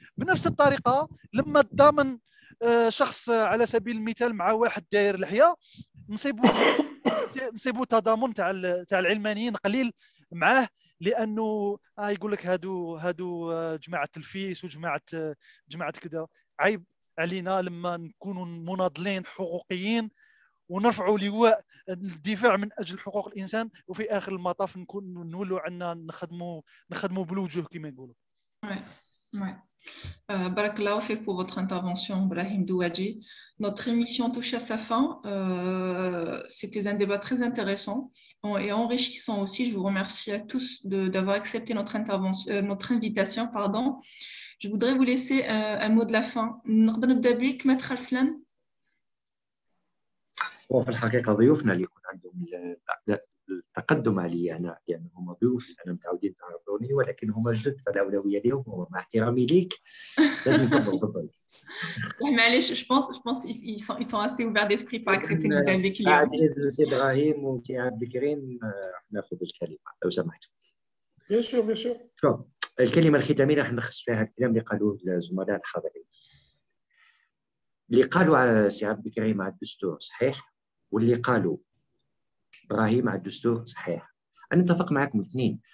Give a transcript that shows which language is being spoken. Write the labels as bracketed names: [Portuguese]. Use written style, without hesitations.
[Arabic] بنفس الطريقة لما تضامن شخص على سبيل المثال مع واحد داير لحية نصيبه تضامن تاع العلمانيين قليل معاه، لأنه يقول لك هادو جماعة الفيس وجماعة كده، عيب علينا لما نكون مناضلين حقوقيين ونرفع لواء الدفاع من أجل حقوق الإنسان، وفي آخر المطاف نكون نولو عنا نخدمو بالوجوه كما يقولوا. بارك الله فيك [French] pour votre intervention, Brahim Douadji. Notre émission touche à sa fin. C'était un débat très intéressant et enrichissant aussi. Je vous remercie à tous d'avoir accepté notre invitation. Pardon. Je voudrais vous laisser un mot de la fin. Nordan Abdabik, Maître Alslan. [Arabic] وفي الحقيقة ضيوفنا اللي يكون عندهم التقدم علي أنا، يعني هم ضيوف أنا متعودين تعرضوني، ولكن هم جد فالأولوية اليوم ومع احترامي ليك لازم يكون بالضبط. صح معليش [French] je pense ils sont assez ouverts d'esprit pour accepter nos invités. [Arabic] عديد سيد إبراهيم وتي عبد الكريم ناخذ الكلمة لو سمحتوا. [French] بيان سور. [Arabic] الكلمة الختامية راح نخص فيها الكلام اللي قالوه الزملاء الحاضرين. اللي قالوا سي عبد الكريم على الدستور صحيح، واللي قالوا إبراهيم على الدستور صحيح، أنا أتفق معكم الاثنين.